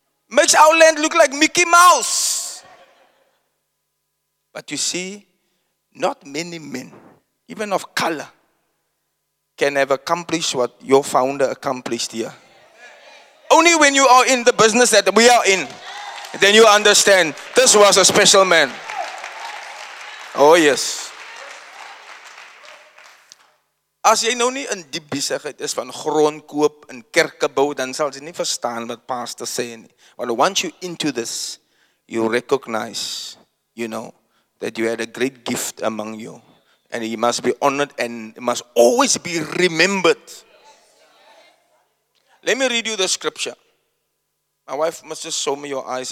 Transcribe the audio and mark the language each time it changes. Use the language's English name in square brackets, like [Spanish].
[English] Makes our land look like Mickey Mouse. But you see, not many men, even of color, can have accomplished what your founder accomplished here. Only when you are in the business that we are in, then you understand this was a special man. Oh yes. [Afrikaans] As jy nou nie in diep besigheid is van grond koop en kerke bou, dan sal jy nie verstaan wat pastor sê nie. [English] But once you into this, you recognize, you know, that you had a great gift among you. And he must be honored and must always be remembered. Let me read you the scripture. My wife must just show me your eyes.